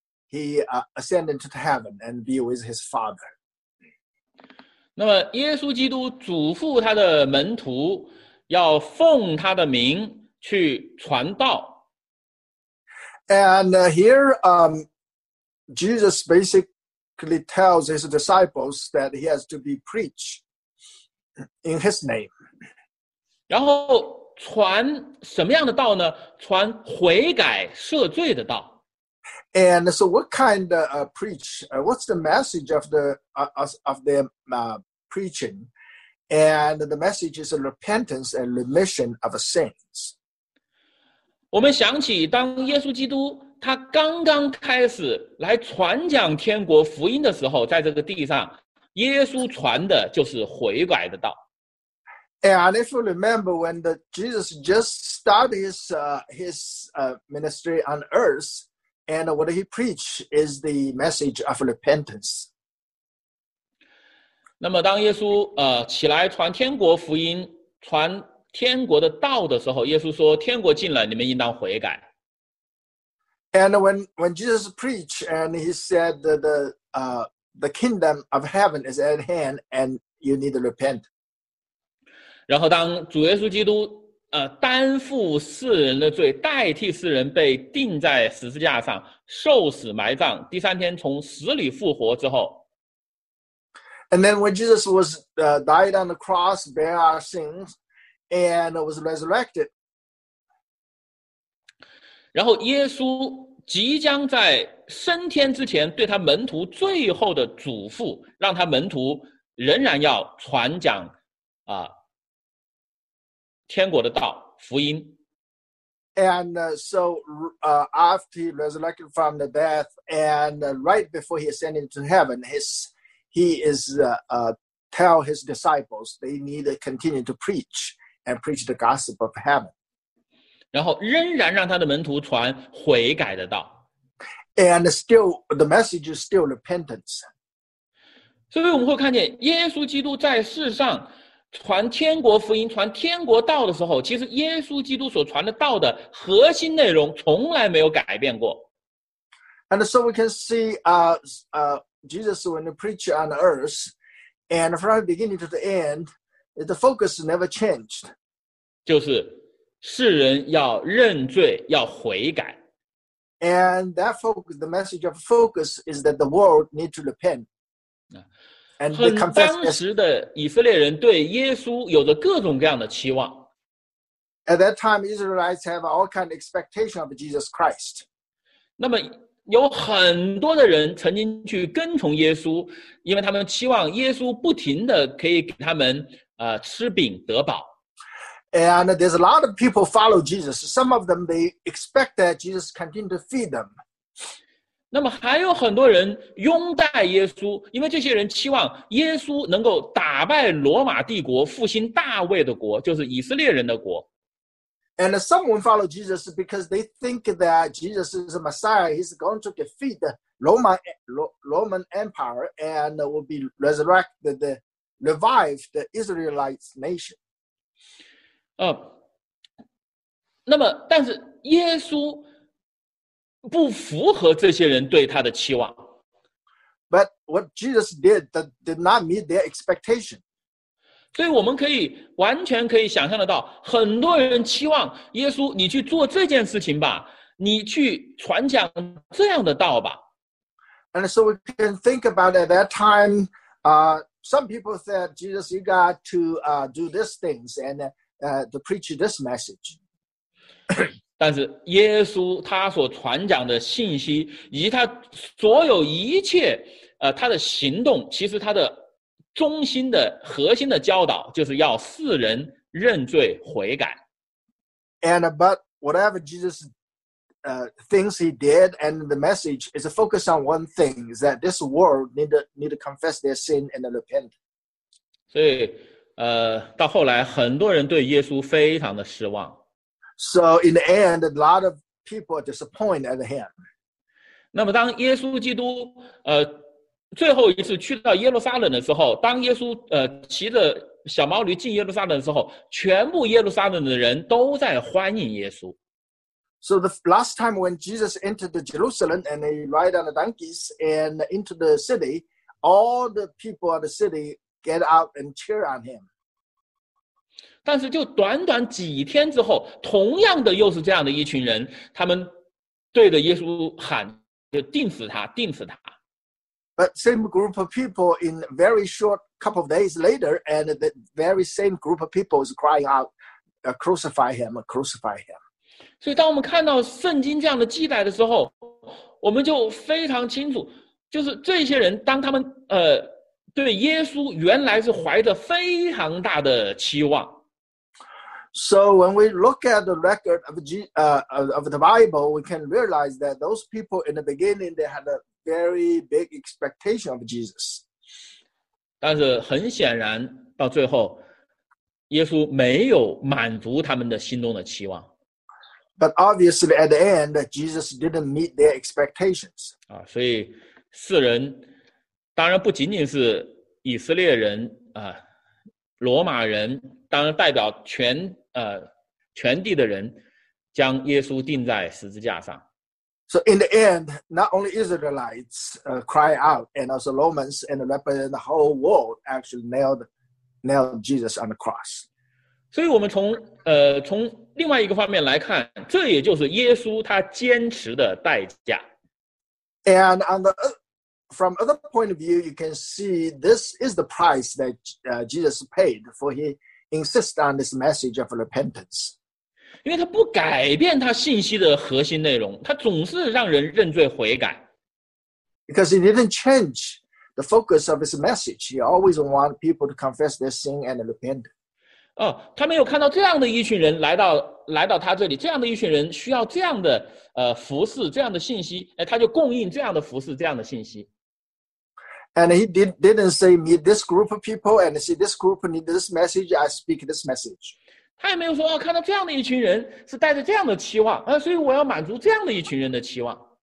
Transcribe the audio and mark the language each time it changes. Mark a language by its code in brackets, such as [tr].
[en] he ascended to heaven and be with his father. [zh] 那么耶稣基督嘱咐他的门徒要奉他的名去传道。 [en] And here Jesus basically tells his disciples that he has to be preached in his name. [zh] 然后传什么样的道呢？传悔改赦罪的道。 [en] And so what kind of what's the message of preaching? And the message is a repentance and remission of sins. [zh] 我们想起当耶稣基督他刚刚开始来传讲天国福音的时候，在这个地上，耶稣传的就是悔改的道。 [en] And if you remember when Jesus just started his ministry on earth, and what he preached is the message of repentance. [zh] 那么当耶稣起来传天国福音，传天国的道的时候，耶稣说天国近了，你们应当悔改。 [en] And when Jesus preached and he said that the kingdom of heaven is at hand and you need to repent. [zh] 然后当主耶稣基督担负世人的罪，代替世人被钉在十字架上，受死埋葬，第三天从死里复活之后。 [en] And then when Jesus was died on the cross, bare our sins, and was resurrected. [zh] 然后耶稣即将在升天之前对他门徒最后的嘱咐，让他门徒仍然要传讲天国的道福音。 [en] And after he resurrected from the death, and right before he ascended to heaven, he tell his disciples they need to continue to preach and preach the gospel of heaven. [zh] 然后仍然让他的门徒传悔改的道。 [en] And still, the message is still repentance. [zh] 所以我们会看见耶稣基督在世上传天国福音、传天国道的时候，其实耶稣基督所传的道的核心内容从来没有改变过。 [en] And so we can see Jesus when he preached on earth, and from the beginning to the end, the focus never changed. [zh] 就是世人要认罪、要悔改。 [en] And that focus, the message of focus is that the world needs to repent. [zh] 很当时的以色列人对耶稣有着各种各样的期望。 [en] At that time, Israelites have all kind of expectation of Jesus Christ. [zh] 那么有很多的人曾经去跟从耶稣，因为他们期望耶稣不停的可以给他们吃饼得饱。 [en] And there's a lot of people follow Jesus. Some of them, they expect that Jesus continue to feed them. [zh] 那么还有很多人拥戴耶稣，因为这些人期望耶稣能够打败罗马帝国，复兴大卫的国，就是以色列人的国。 [en] And someone follow Jesus because they think that Jesus is a Messiah. He's going to defeat the Roman Empire and will be resurrected, revive the Israelite nation. [zh] 那么但是耶稣不符合这些人对他的期望。 [en] But what Jesus did not meet their expectation. [zh] 所以我们可以完全可以想象得到，很多人期望耶稣你去做这件事情吧，你去传讲这样的道吧。 [en] And so we can think about at that time, some people said, Jesus, you got to do these things and to preach this message. [zh] 但是耶稣他所传讲的信息以及他所有一切他的行动，其实他的中心的核心的教导就是要世人认罪悔改。 [en] And but whatever Jesus thinks he did and the message is focused on one thing, is that this world need to confess their sin and repent. [zh] 所以到后来很多人对耶稣非常的失望。 [en] So in the end, a lot of people are disappointed at him. [zh] 那么当耶稣基督最后一次去到耶路撒冷的时候，当耶稣骑着小毛驴进耶路撒冷的时候，全部耶路撒冷的人都在欢迎耶稣。 [en] So the last time when Jesus entered the Jerusalem and they ride on the donkeys and into the city, all the people of the city get out and cheer on him. [zh] 但是就短短几天之后，同样的又是这样的一群人，他们对着耶稣喊，就钉死他，钉死他。 [en] But same group of people in very short couple of days later, and the very same group of people is crying out, crucify him, crucify him. [zh] 所以当我们看到圣经这样的记载的时候，我们就非常清楚，就是这些人当他们对耶稣原来是怀着非常大的期望。 [en] So when we look at the record of the Bible, we can realize that those people in the beginning, they had a very big expectation of Jesus. [zh] 但是很显然到最后耶稣没有满足他们的心中的期望。 [en] But obviously at the end, Jesus didn't meet their expectations. [zh] 所以世人当然不仅仅是以色列人罗马人当然代表全地的人将耶稣钉在十字架上。 [en] So in the end, not only Israelites cry out, and also Romans and the rest of the whole world actually nailed Jesus on the cross. [zh] 所以我们从另外一个方面来看，这也就是耶稣他坚持的代价。 [en] And on the from other point of view, you can see this is the price that Jesus paid for he insist on this message of repentance. [zh] 因为他不改变他信息的核心内容，他总是让人认罪悔改。 [en] Because he didn't change the focus of his message. He always wanted people to confess their sin and repent. [zh] 他没有看到这样的一群人来到他这里，这样的一群人需要这样的服侍，这样的信息，他就供应这样的服侍，这样的信息。 [en] And he didn't say meet this group of people and see this group need this message. I speak this message. [zh] 他也没有说看到这样的一群人是带着这样的期望，所以我要满足这样的一群人的期望。